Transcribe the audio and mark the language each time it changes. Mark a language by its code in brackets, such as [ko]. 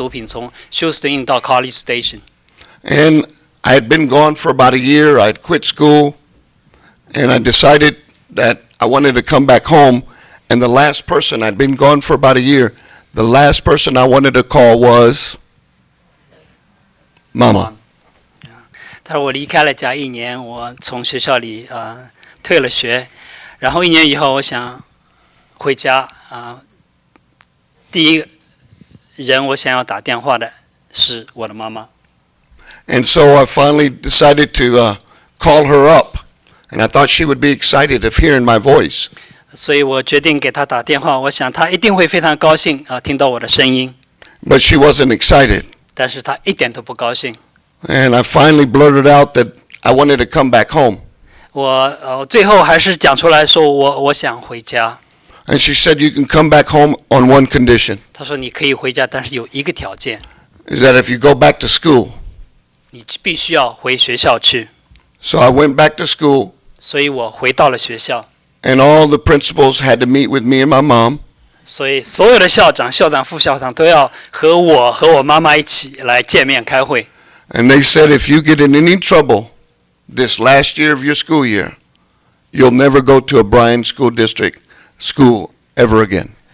[zh] 从那时候开始，我从休斯顿和布莱恩之间就是做那个毒品的贩卖，有很多的毒品从休斯顿运到 College Station. [en] And I had been gone for about a year. I had quit school, and I decided that I wanted to come back home. And the last person I'd been gone for about a year, the last person I wanted to call was Mama. [zh] 他说我离开了家一年，我从学校里退了学，然后一年以后我想回家，第一人我想要打电话的是我的妈妈。 [en] And so I finally decided to call her up, and I thought she would be excited of hearing my voice. [zh] 所以我决定给她打电话，我想她一定会非常高兴啊，听到我的声音。 [en] But she wasn't excited. [zh] 但是她一点都不高兴。 [en] And I finally blurted out that I wanted to come back home. [zh] 我最后还是讲出来说我想回家。 [en] And she said, "You can come back home on one condition." [zh] 她说你可以回家，但是有一个条件。 [en] Is that if you go back to school? [zh] 你必须要回学校去。 [en] So I went back to school. [zh] 所以我回到了学校。 [en] And all the principals had to meet with me and my mom. [zh] 所以所有的校长、校长、副校长都要和我和我妈妈一起来见面开会。 [en] And they said, "If you get in any trouble this last year of your school year, you'll never go to a Bryan School District school ever again."